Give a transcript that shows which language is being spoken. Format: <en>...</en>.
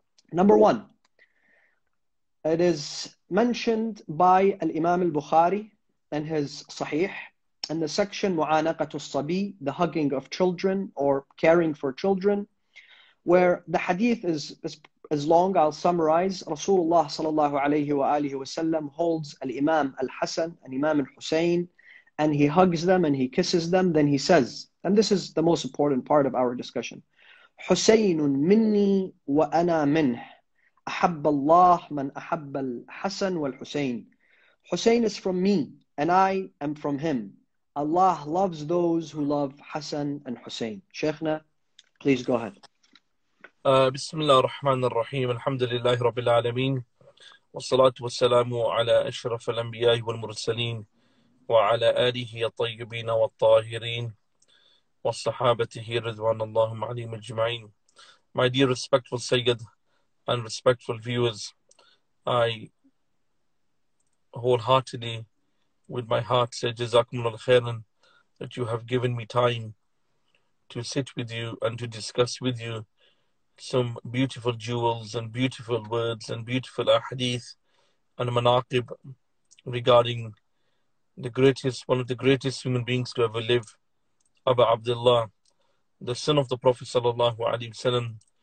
<en>Number one, it is mentioned by Al-Imam Al-Bukhari in his Sahih, in the section Mu'anaqatu As-Sabi, the hugging of children or caring for children, where the hadith is long. I'll summarize. Rasulullah sallallahu alayhi wa alihi wa sallam holds Al-Imam Al-Hasan and Imam Al-Hussein, and he hugs them and he kisses them. Then he says, and this is the most important part of our discussion,</en> <ar>Husaynun minni wa ana minh. أحب الله من أحب الحسن والحسين.</ar> <en>Hussein is from me and I am from him. Allah loves those who love Hassan and Hussein. Sheikhna, please go ahead.</en> <ar>بسم الله الرحمن الرحيم. الحمد لله رب العالمين. والصلاة والسلام على أشرف الأنبياء والمرسلين وعلى آله الطيبين والطاهرين وصحابته رضوان الله عليهم أجمعين.</ar> <en>My dear respectful Sayyid and respectful viewers, I wholeheartedly, with my heart, say Jazakumullah khairan that you have given me time to sit with you and to discuss with you some beautiful jewels and beautiful words and beautiful ahadith and manaqib regarding the greatest, one of the greatest human beings to ever live, Abu Abdullah, the son of the Prophet sallallahu alaihi wasallam.</en>